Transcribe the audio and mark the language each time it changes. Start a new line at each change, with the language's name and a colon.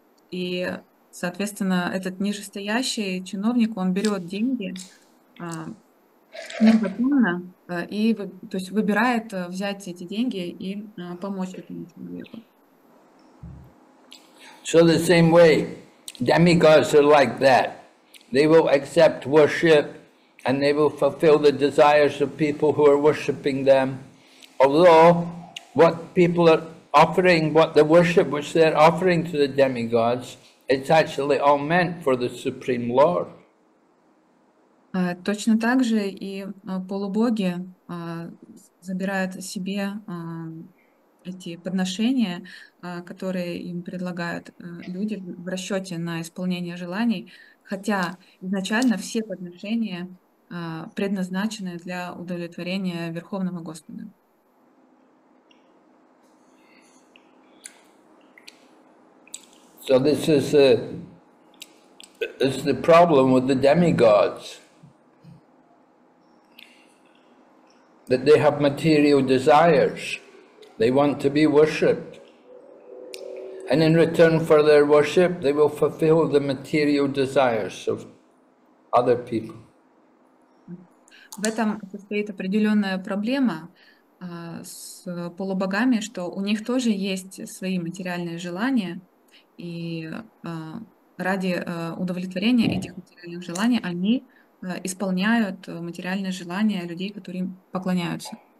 Russian: И, соответственно, этот нижестоящий чиновник, он берет деньги, и то есть выбирает взять эти деньги и помочь этому человеку.
English: So the same way, demigods are like that. They will accept worship and they will fulfill the desires of people who are worshiping them. Although what people are offering, what the worship which they're offering to the demigods, it's actually all meant for the Supreme Lord.
Russian: Точно так же и полубоги забирают себе эти подношения, которые им предлагают люди в расчете на исполнение желаний, хотя изначально все подношения предназначены для удовлетворения Верховного Господа.
English: So this is the problem with the demigods. That they have material desires, they want to be worshipped, and in return for their worship, they will fulfill the material desires of other people.
Russian: В этом состоит определенная проблема с полубогами, что у них тоже есть свои материальные желания, и ради удовлетворения этих материальных желаний они исполняют материальные желания людей, которые им поклоняются.